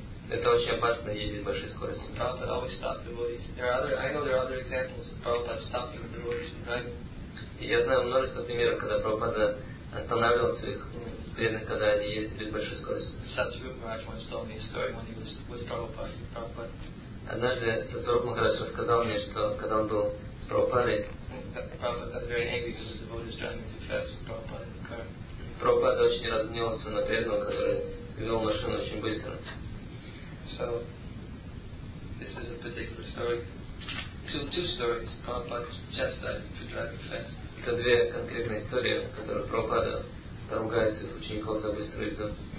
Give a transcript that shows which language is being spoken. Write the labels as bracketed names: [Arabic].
[Russian] Это очень опасно, ездить с большой скоростью. [English] Prabhupada always stopped devotees. I know there are other examples of Prabhupada stopping the devotees from driving. [Russian] Я знаю множество примеров, когда Прабхупада останавливал своих преданных, когда они ездили с большой скоростью. [English] Satguru Maharaj once told me a story when he was with Prabhupada. [Russian] Однажды Satguru Maharaj рассказал мне, что когда он был с Прабхупадой, [English] Prabhupada got very angry because the devotee was driving too fast with Prabhupada in the car. [Russian] Прабхупада очень разгневался на преданного, который вел машину очень быстро. [English] So, this is a particular story. Two stories. Prabhupada chastised for driving fast. [Russian] Это две конкретные истории, которые Прабхупада поругается с учеников за быструю езду.